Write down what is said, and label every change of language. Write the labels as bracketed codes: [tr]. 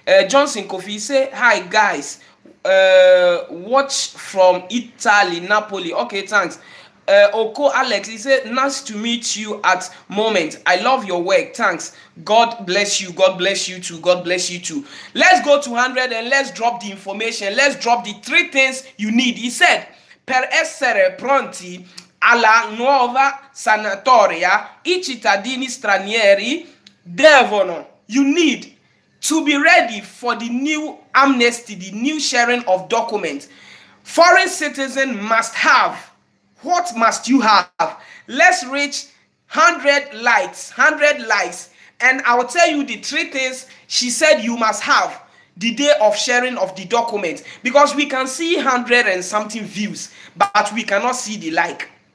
[en] Johnson Kofi, he said, hi guys, watch from Italy, Napoli. Okay, thanks. Oko Alex, he said, nice to meet you at moment. I love your work. Thanks. God bless you too. Let's go to 100 and let's drop the information. Let's drop the three things you need. He said, [it] per essere pronti alla nuova sanatoria, i cittadini stranieri devono. [en] You need to be ready for the new amnesty, the new sharing of documents. Foreign citizen must have. What must you have? Let's reach 100 likes, and I'll tell you the three things she said you must have the day of sharing of the document, because we can see 100 and something views, but we cannot see the like.